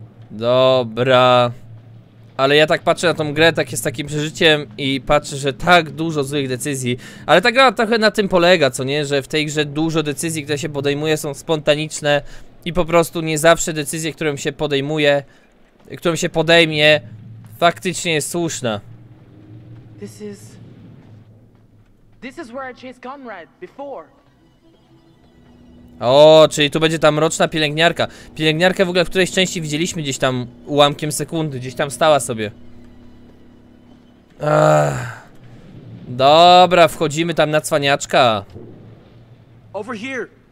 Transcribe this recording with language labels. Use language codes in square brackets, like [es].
[pl] Dobra. Ale ja tak patrzę na tą grę, tak jest takim przeżyciem i patrzę, że tak dużo złych decyzji. Ale ta gra trochę na tym polega, co nie? Że w tej grze dużo decyzji, które się podejmuje, są spontaniczne i po prostu nie zawsze decyzje, którą się podejmuje, którą się podejmie, faktycznie jest słuszna. [en] This is where I chased Conrad before. [pl] O, czyli tu będzie ta mroczna pielęgniarka. Pielęgniarkę w ogóle w którejś części widzieliśmy gdzieś tam ułamkiem sekundy, gdzieś tam stała sobie. Dobra, wchodzimy tam na cwaniaczka. [en] Over here.